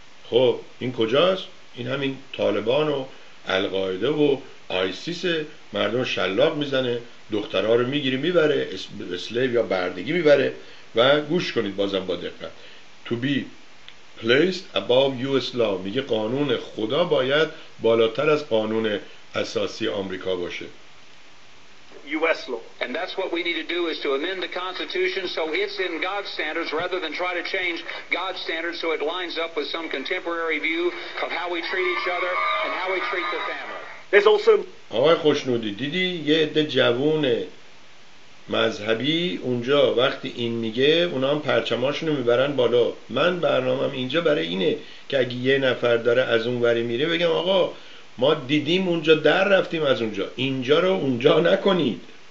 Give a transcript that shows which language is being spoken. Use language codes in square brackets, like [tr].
[fa] خب این کجاست؟ این همین طالبان و القاعده و آیسیس، مردم شلاق میزنه، دخترها رو میگیری میبره، اسلیو یا بردگی میبره. و گوش کنید بازم با دقت، [en] to be placed above US law، [fa] میگه قانون خدا باید بالاتر از قانون اساسی آمریکا باشه. [en] US law. And that's what we need to do, is to amend the Constitution so it's in God's standards rather than try to change God's standards so it lines up with some contemporary view of how we treat each other and how we treat the family. There's also [fa] آقای خوشنودی، دیدی یه عده جوون مذهبی اونجا وقتی این میگه اونا هم پرچماشونو میبرن بالا. من برنامه‌ام اینجا برای اینه که اگه یه نفر داره از اون وری میره بگم آقا ما دیدیم اونجا در رفتیم از اونجا، اینجا رو اونجا نکنید.